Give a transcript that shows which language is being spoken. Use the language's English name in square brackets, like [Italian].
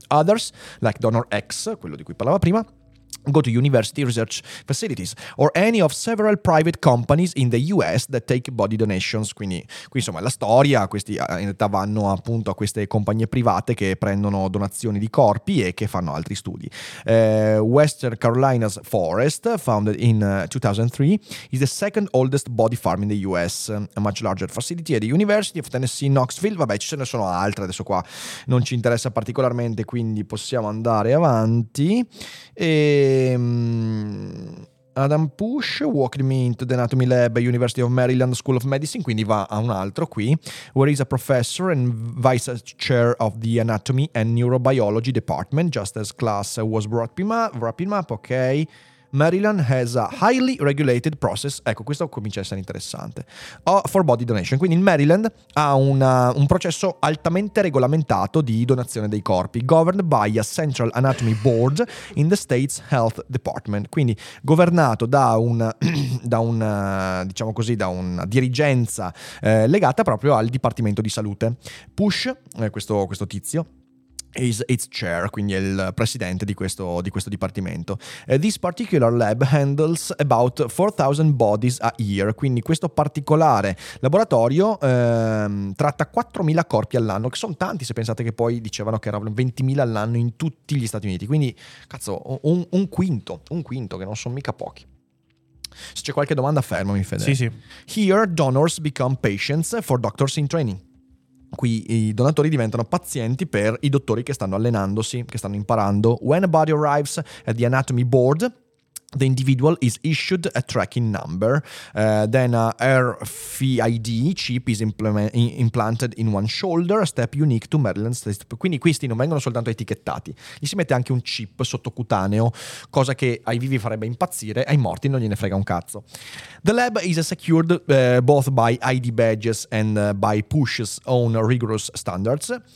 [English] Others, like Donor X, [Italian] quello di cui parlava prima, [English] go to university research facilities or any of several private companies in the US that take body donations. [Italian] Quindi qui, insomma, è la storia. Questi in realtà vanno appunto a queste compagnie private che prendono donazioni di corpi e che fanno altri studi. [English] Western Carolina's Forest, founded in 2003, is the second oldest body farm in the US. A much larger facility at the University of Tennessee Knoxville. [Italian] Vabbè, ce ne sono altre, adesso qua non ci interessa particolarmente, quindi possiamo andare avanti. [English] E Adam Push walked me into the anatomy lab at University of Maryland School of Medicine, [Italian] quindi va a un altro qui, [English] where he's a professor and vice chair of the anatomy and neurobiology department, just as class was wrapping up. Ok, Maryland has a highly regulated process. [Italian] Ecco, questo comincia a essere interessante. [English] For body donation. [Italian] Quindi il Maryland ha un processo altamente regolamentato di donazione dei corpi, [English] governed by a central anatomy board in the state's health department. [Italian] Quindi governato da una dirigenza legata proprio al Dipartimento di Salute. Push, questo tizio, [English] is its chair, [Italian] quindi è il presidente di questo dipartimento. [English] This particular lab handles about 4,000 bodies a year. [Italian] Quindi questo particolare laboratorio tratta 4,000 corpi all'anno, che sono tanti se pensate che poi dicevano che erano 20,000 all'anno in tutti gli Stati Uniti. Quindi, cazzo, un quinto, che non sono mica pochi. Se c'è qualche domanda, fermami, Fede. Sì, sì. [English] Here, donors become patients for doctors in training. [Italian] qui i donatori diventano pazienti per i dottori che stanno allenandosi, che stanno imparando. [English] When a body arrives at the anatomy board, the individual is issued a tracking number, then a RFID chip is implanted in one shoulder, a step unique to Maryland's test. [Italian] Quindi questi non vengono soltanto etichettati, gli si mette anche un chip sottocutaneo, cosa che ai vivi farebbe impazzire, ai morti non gliene frega un cazzo. [English] The lab is secured both by ID badges and by PUSH's own rigorous standards.